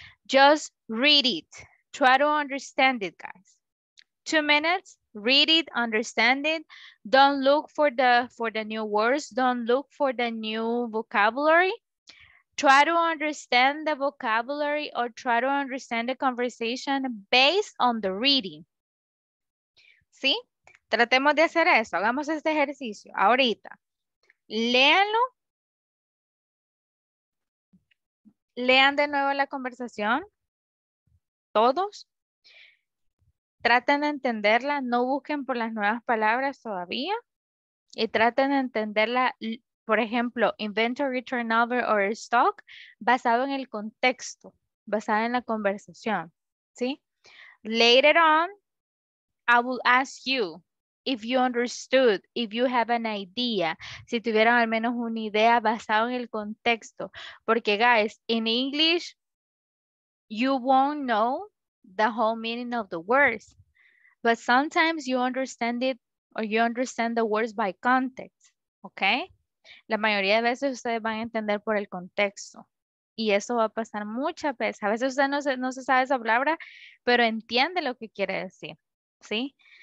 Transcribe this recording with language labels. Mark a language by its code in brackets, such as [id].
[en] Just read it. Try to understand it, guys. 2 minutes. Read it. Understand it. Don't look for the new words. Don't look for the new vocabulary. Try to understand the vocabulary, or try to understand the conversation based on the reading. See? [es] Tratemos de hacer eso, hagamos este ejercicio ahorita. Léanlo. Lean de nuevo la conversación. Todos. Traten de entenderla, no busquen por las nuevas palabras todavía. Y traten de entenderla, por ejemplo, [en] inventory turnover or stock, [es] basado en el contexto. basada en la conversación, ¿sí? [en] Later on, I will ask you if you understood, if you have an idea, [es] si tuvieron al menos una idea basada en el contexto. [en] Porque, guys, in English, you won't know the whole meaning of the words. But sometimes you understand it or you understand the words by context, okay? [es] La mayoría de veces ustedes van a entender por el contexto. Y eso va a pasar muchas veces. A veces usted no se sabe esa palabra, pero entiende lo que quiere decir, ¿sí?